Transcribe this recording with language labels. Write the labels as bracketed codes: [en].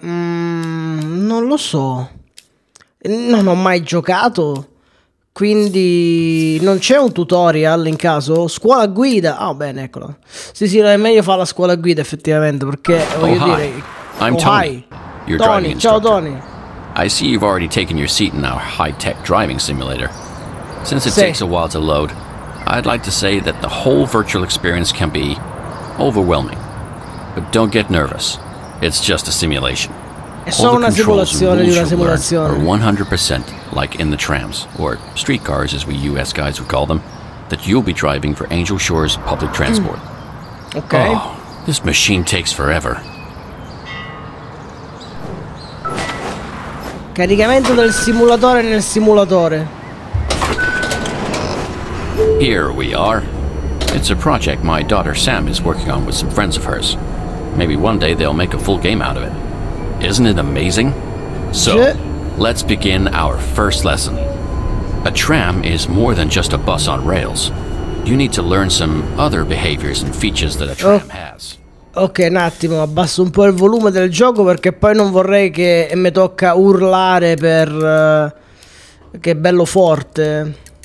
[it] Non lo so. Non ho mai giocato. Quindi non c'è un tutorial in caso? Scuola guida. Ah, oh, bene, eccolo. Sì, è meglio fare la scuola guida effettivamente, perché voglio Tony. Ciao Tony. [en] I see you've already taken your seat in our high-tech driving simulator. Since it takes a while to load, I'd like to say that the whole virtual experience can be overwhelming. But don't get nervous. It's just a simulation. [it] È solo una simulazione di una simulazione. [en] 100% like in the trams, or streetcars as we US guys would call them, that you'll be driving for Angel Shores public transport. Okay. Oh, this machine takes forever. [it] Caricamento del simulatore nel simulatore. [en] Here we are. It's a project my daughter Sam is working on with some friends of hers. Maybe one day they'll make a full game out of it. Isn't it amazing? So, let's begin our first lesson. A tram is more than just a bus on rails. You need to learn some other behaviors and features that a tram has. [it] Ok, un attimo, abbasso un po' il volume del gioco perché poi non vorrei che mi tocca urlare per che è bello forte.